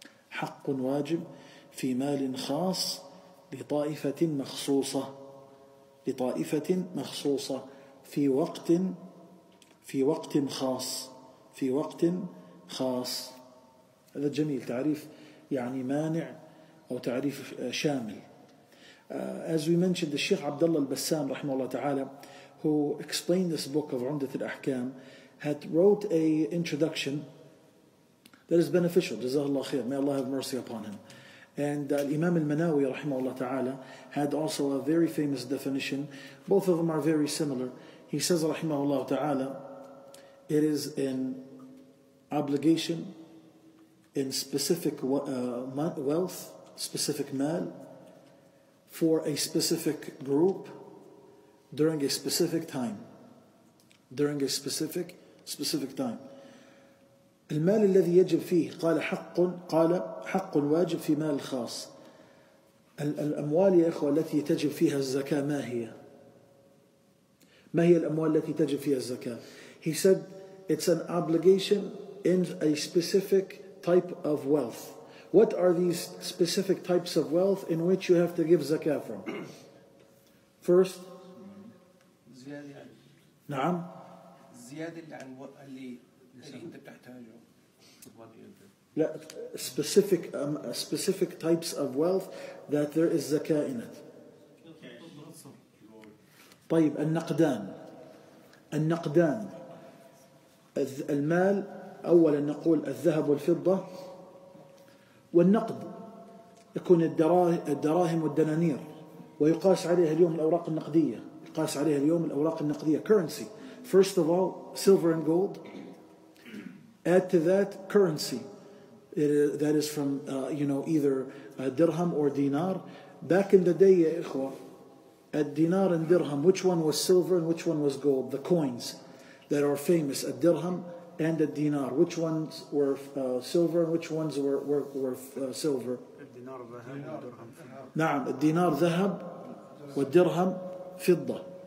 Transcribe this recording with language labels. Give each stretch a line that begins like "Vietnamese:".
Arabic: حق واجب في مال خاص لطائفة مخصوصة، لطائفة مخصوصة في وقت، في وقت خاص، في وقت خاص. هذا جميل تعريف يعني مانع أو تعريف شامل.
English: As we mentioned, the Sheikh Abdullah al-Bassam
Arabic: رحمه الله تعالى,
English: who explained this book of عمدة الأحكام, had wrote a introduction that is beneficial. Jazakallah khair. May Allah have mercy upon him. And Imam al-Manawi rahimahullah ta'ala had also a very famous definition. Both of them are very similar. He says rahimahullah ta'ala, it is an obligation in specific wealth, specific mal, for a specific group during a specific time. During a specific time.
Arabic: المال الذي يجب فيه قال حق، قال حق واجب في مال خاص. الأموال يا إخوة التي تجب فيها الزكاة ما هي؟ ما هي الأموال التي تجب فيها الزكاة؟
English: He said it's an obligation in a specific type of wealth. What are these specific types of wealth in which you have to give زكاة from? First
Arabic: زيادة. نعم زيادة اللي أنت بتحتاجه.
English: لا specific specific types of wealth that there is زكاة in it.
Arabic: طيب النقدان، النقدان المال، أولا نقول الذهب والفضة والنقد، يكون الدراهم والدنانير، ويقاس عليها اليوم الأوراق النقدية، يقاس عليها اليوم الأوراق النقدية currency.
English: First of all silver and gold. Add to that currency, that is from either a dirham or a dinar. Back in the day, ya ikhwa, a dinar and dirham, which one was silver and which one was gold? The coins that are famous, a dirham and a dinar. Which ones were silver and which ones were silver? Dinar, dirham.
Arabic: نعم, dinar, ذهب, والدرهم, فضة.